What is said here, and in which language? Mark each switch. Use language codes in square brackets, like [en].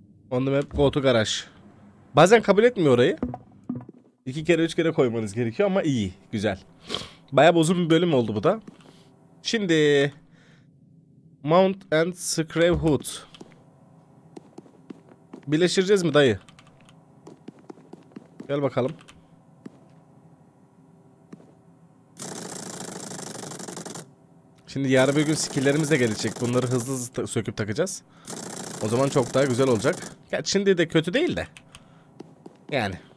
[en] On the map, go to garage. [tr] Bazen kabul etmiyor orayı. İki kere üç kere koymanız gerekiyor ama iyi. Güzel. Bayağı uzun bir bölüm oldu bu da. Şimdi Mount and Scrape Hood. Birleştireceğiz mi dayı? Gel bakalım. Şimdi yarın bir gün skillerimiz de gelecek. Bunları hızlı hızlı söküp takacağız. O zaman çok daha güzel olacak. Gerçi şimdi de kötü değil de. Yani.